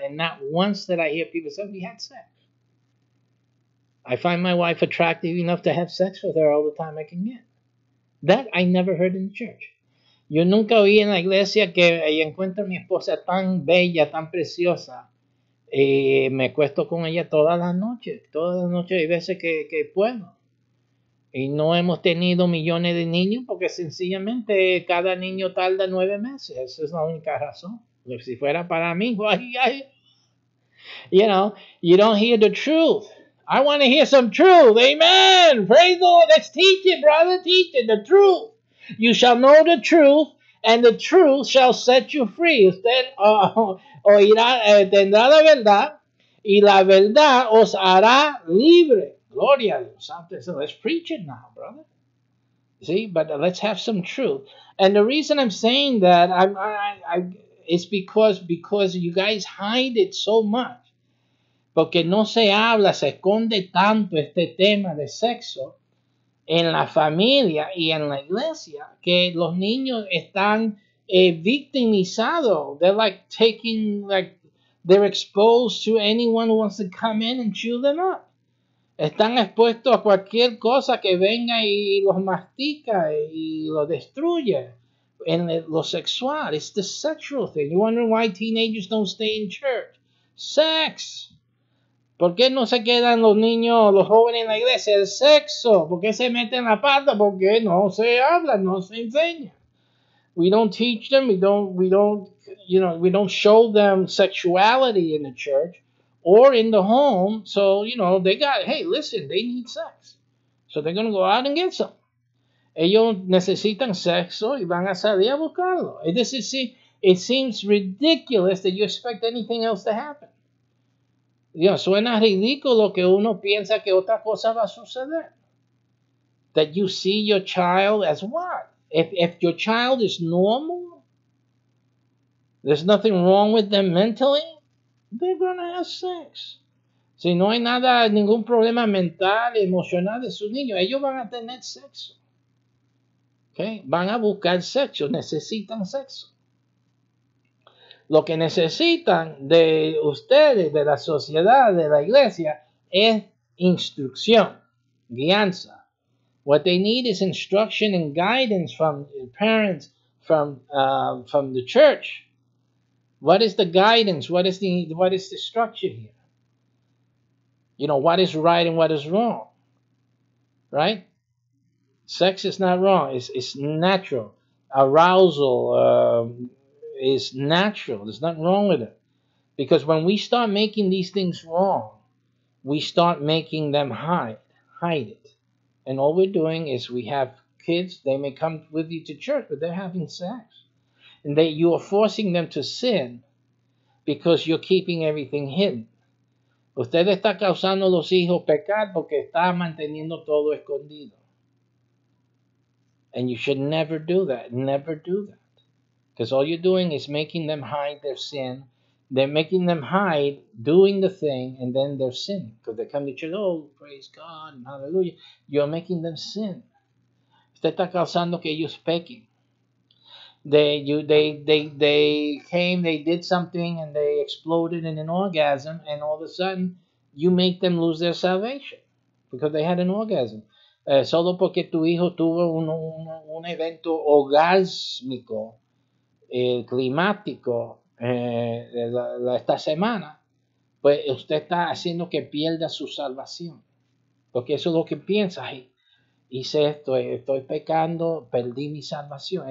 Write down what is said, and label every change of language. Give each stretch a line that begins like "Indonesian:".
English: And not once did I hear people say, we had sex. I find my wife attractive enough to have sex with her all the time I can get. That I never heard in the church.
Spanish: Yo nunca oí en la iglesia que encuentro mi esposa tan bella, tan preciosa. Y me acuesto con ella todas las noches. Hay veces que puedo. Y no hemos tenido millones de niños porque sencillamente cada niño tarda 9 meses. Esa es la única razón. Pero si fuera para mí,
English: you don't hear the truth. I want to hear some truth. Amen. Praise the Lord. Let's teach it, brother. Teach it. The truth. You shall know the truth, and the truth shall set you free.
Spanish: Usted tendrá la verdad, y la verdad os hará libre. Gloria a Dios.
English: So let's preach it now, brother. See, but let's have some truth. And the reason I'm saying that is because you guys hide it so much.
Spanish: Porque no se habla, se esconde tanto este tema de sexo en la familia y en la iglesia que los niños están victimizados.
English: They're taking they're exposed to anyone who wants to come in and chew them up.
Spanish: Están expuestos a cualquier cosa que venga y los mastica y los destruye. En lo sexual,
English: it's the sexual thing. You're wondering why teenagers don't stay in church. Sex.
Spanish: ¿Por qué no se quedan los niños, los jóvenes en la iglesia? El sexo. ¿Por qué se meten la pata? Porque no se habla, no se enseña.
English: We don't teach them. We don't show them sexuality in the church. Or in the home, so, they need sex. So they're going to go out and get some.
Spanish: Ellos necesitan sexo y van a salir a buscarlo.
English: It seems ridiculous that you expect anything else to happen.
Spanish: Suena ridículo que uno piensa que otra cosa va a suceder.
English: That you see your child as what? If your child is normal, there's nothing wrong with them mentally, they're going to have sex.
Spanish: Si no hay nada, ningún problema mental, emocional de sus niños, ellos van a tener sexo. Okay? Van a buscar sexo. Necesitan sexo. Lo que necesitan de ustedes, de la sociedad, de la iglesia, es instrucción. Guianza.
English: What they need is instruction and guidance from parents, from the church. What is the guidance? What is the structure here? What is right and what is wrong? Right? Sex is not wrong. It's natural. Arousal is natural. There's nothing wrong with it. Because when we start making these things wrong, we start making them hide it. And all we're doing is we have kids. They may come with you to church, but they're having sex. And they, you are forcing them to sin because you're keeping everything hidden.
Spanish: Usted está causando a los hijos pecar porque está manteniendo todo escondido.
English: And you should never do that. Never do that. Because all you're doing is making them hide their sin. They're making them hide doing the thing, and then they're sinning. Because they come to church, oh, praise God, and hallelujah. You're making them sin.
Spanish: Usted está causando que ellos pequen.
English: They came, they did something, and they exploded in an orgasm, and all of a sudden, you make them lose their salvation. Because they had an orgasm.
Spanish: Solo porque tu hijo tuvo un evento orgásmico, climático, esta semana, pues usted está haciendo que pierda su salvación. Porque eso es lo que piensa. Hice esto, estoy pecando, perdí mi salvación.